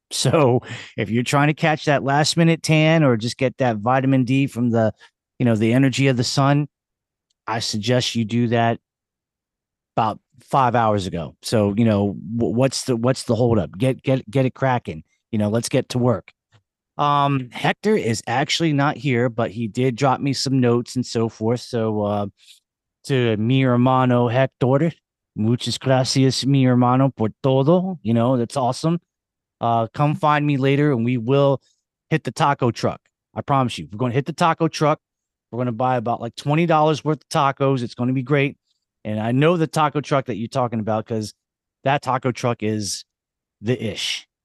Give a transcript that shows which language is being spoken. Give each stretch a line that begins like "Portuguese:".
English: So if you're trying to catch that last minute tan or just get that vitamin D from the, you know, the energy of the sun, I suggest you do that about 5 hours ago. So, you know, what's the holdup? Get it cracking. You know, let's get to work. Hector is actually not here, but he did drop me some notes and so forth. So to
Spanish: mi hermano Hector, muchas gracias mi hermano por todo.
English: You know, that's awesome. Come find me later and we will hit the taco truck. I promise you, we're going to hit the taco truck. We're going to buy about like $20 worth of tacos. It's going to be great. And I know the taco truck that you're talking about because that taco truck is the ish.